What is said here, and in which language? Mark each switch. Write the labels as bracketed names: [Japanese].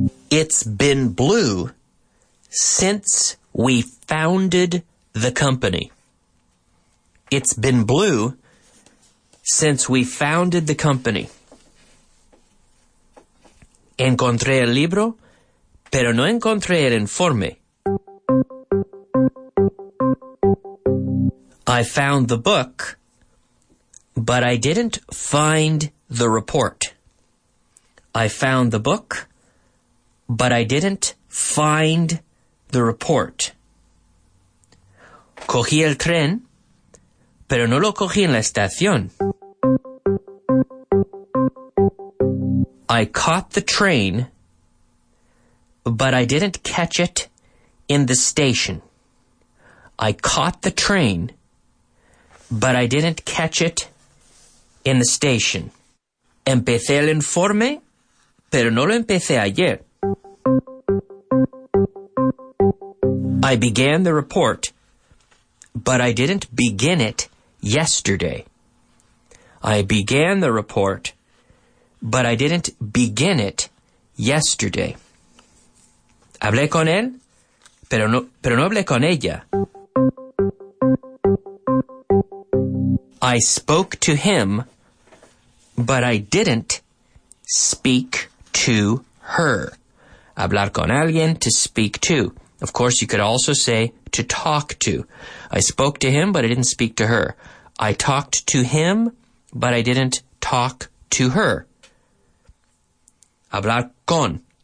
[English] It's been blue since we founded the company. It's been blue since we founded the company. [Spanish] Encontré el libro, pero no encontré el informe. [English] I found the book, but I didn't find the report. I found the book, but I didn't find the report. [Spanish] Cogí el tren, pero no lo cogí en la estación. [English] I caught the train, but I didn't catch it in the station. I caught the train, but I didn't catch it in the station. [Spanish] Empecé el informe, pero no lo empecé ayer. [English] I began the report, but I didn't begin it yesterday. I began the report, but I didn't begin it yesterday. [Spanish] Hablé con él, pero no hablé con ella. [English] I spoke to him, but I didn't speak to her. [Spanish] Hablar con alguien, [English] to speak to. Of course, you could also say to talk to. I spoke to him, but I didn't speak to her. I talked to him, but I didn't talk to her. [Spanish] Hablar con.